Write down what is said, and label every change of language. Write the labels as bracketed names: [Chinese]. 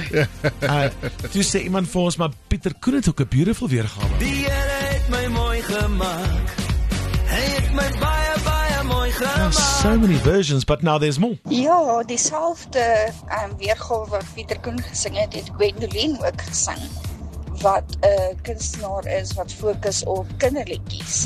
[Afrikaans] Toe sê iemand vir ons, maar Pieter, kon het ook 'n beautiful weergawe. Die Here het my mooi gemaak. Hy het my baie, baie mooi gemaak. [English] There's so many versions, but now there's more. [Afrikaans] Ja, dieselfde weergawe wat Pieter Koen gesing het Gwendoline ook gesing, wat 'n kunstenaar is wat fokus op kinderliedjies.